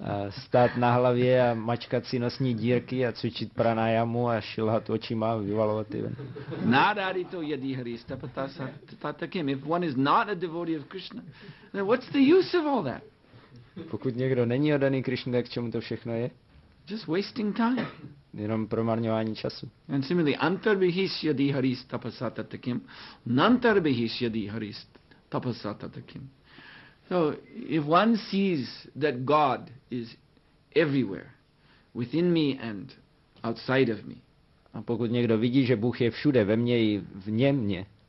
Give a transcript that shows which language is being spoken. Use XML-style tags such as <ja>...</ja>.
<cs>Stát na hlavě a mačkat si nosní dírky a cvičit pranayamu a šilhat očima a vyvalovat ty ven.</cs> <sa>Narādito yadi hari tapasata takyam.</sa> <en>If one is not a devotee of Krishna, then what's the use of all that?</en> <cs>Pokud někdo není oddaný Krišně, tak k čemu to všechno je?</cs> <en>Just wasting time.</en> <cs>Jenom promarňování času.</cs> <en>And similarly,</en> <sa>antarbihis yadi hari tapasata takyam, nantarbihis yadi hari tapasata takyam.</sa> <en>So if one sees that God is everywhere within me and outside of me.</en> <cs>A pokud někdo vidí, že Bůh je všude ve mně i vně mě.</cs>